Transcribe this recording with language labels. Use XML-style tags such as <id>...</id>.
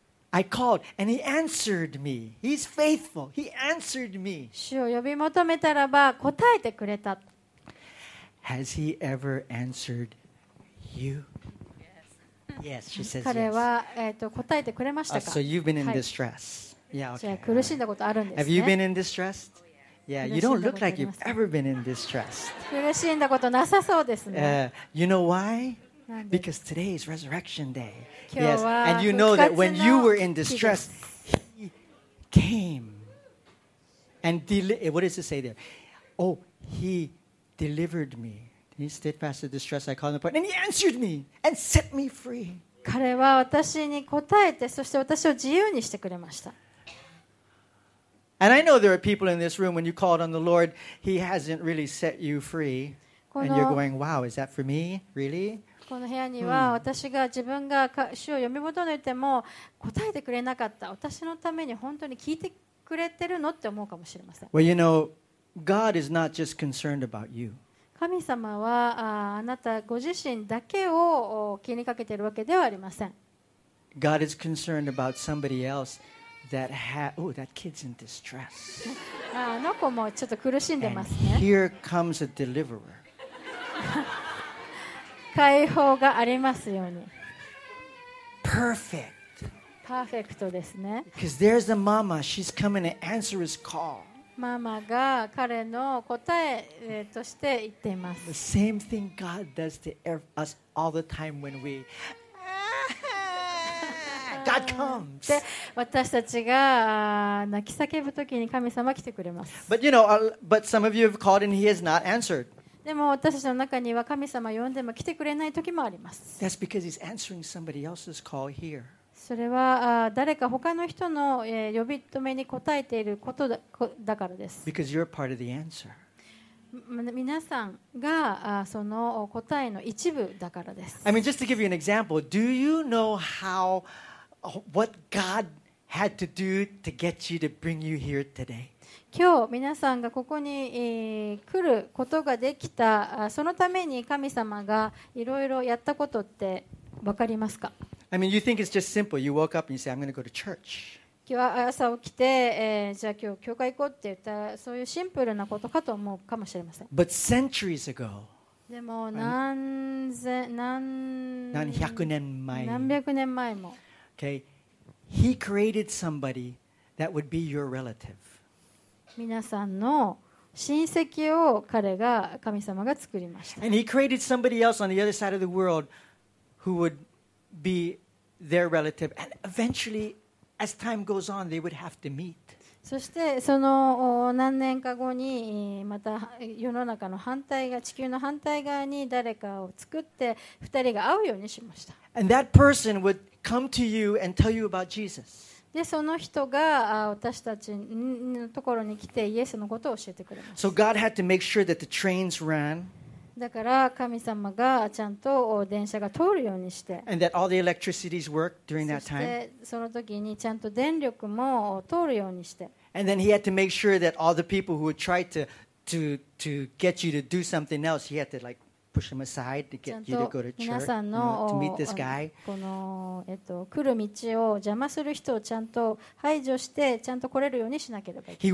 <en>I called and he answered me. He's faithful. He answered me.</en> <ja>主を呼び求めたらば答えてくれた。</ja> <en>Has he ever answered you? Yes, she says yes.</en> <ja>彼は答えてくれましたか。</ja> <en>So you've been in distress. Yeah, okay.</en> <ja>じゃあ苦しんだことあるんですね。</ja> <en>Have you been in distress? Yeah, you don't look like you've ever been in distress.</en> <ja>苦しんだことなさそうですね。</ja> <en>You know why? Because today is resurrection day. Yes, and you know that when you were in distress, he came and what does it say there? Oh, he delivered me. He steadfast the distress I called upon, and he answered me and set me free.</en> <ja>彼は私に答えて、そして私を自由にしてくれました。</ja> <en>And I know there are people in this room when you called on the Lord, he hasn't really set you free, and you're going, "Wow, is that for me, really?"</en> <ja>この部屋には私が自分が主を読み求めても答えてくれなかった、私のために本当に聞いてくれてるのって思うかもしれません。</ja> <en>Well, you know, God is not just concerned about you.</en> <ja>神様はあなたご自身だけを気にかけているわけではありません。</ja> <en>God is concerned about somebody else that has... Oh, that kid's in distress.</en> <ja>あの子もちょっと苦しんでますね。</ja> <en>And here comes a deliverer.</en> <ja>解放がありますように。</ja> <en>Perfect.</en> <ja>パーフェクトですね。</ja> <en>Because there's the mama. She's coming to answer his call.</en> <ja>ママが彼の答えとして言っています。</ja> <en>The same thing God does to us all the time when we God comes.</en> <ja>で、私たちが泣き叫ぶときに神様来てくれます。</ja> <en>But you know, but some of you have called and he has not answered.</en> <ja>でも私たちの中には神様呼んでも来てくれない時もあります。</ja> <en>That's because he's answering somebody else's call here.</en> <ja>それは誰か他の人の呼び止めに応えていることだからです。</ja> <en>Because you're part of the answer.</en> <ja>皆さんがその答えの一部だからです。</ja> <en>I mean, just to give you an example, do you know how what God had to do to get you to bring you here today?</en> <ja>今日皆さんがここに来ることができた、そのために神様がいろいろやったことって分かりますか？</ja> <en>I mean, you think it's just simple. You woke up and you say, I'm going to go to church.</en> <ja>今日は朝起きて、じゃあ今日教会行こうって言った、そういうシンプルなことかと思うかもしれません。</ja> <en>But centuries ago,</en> <ja>でも何百年前何百年前も、</ja> <en>okay, he created somebody that would be your relative.</en> <ja>皆さんの親戚を彼が神様が作りました。</ja> <en>And he created somebody else on the other side of the world who would be their relative. And eventually, as time goes on, they would have to meet.</en> <ja>そしてその何年か後にまた世の中の反対が地球の反対側に誰かを作って二人が会うようにしました。</ja> <en>And that person would come to you and tell you about Jesus.</en> <ja>でその人が私たちのところに来てイエスのことを教えてくれました。</ja> <en>So God had to make sure that the trains ran.</en> <ja>だから神様がちゃんと電車が通るようにして。</ja> <en>And that all the electricities worked during that time.</en> <ja>その時にちゃんと電力も通るようにして。</ja> <en>And then he had to make sure that all the people who would try to get you to do something else, he had to like push him aside to get you to go to church, you know, to meet this guy.</en> <ja>この、来る道を邪魔する人をちゃんと排除してちゃんと来れるようにしなければいけない。</ja>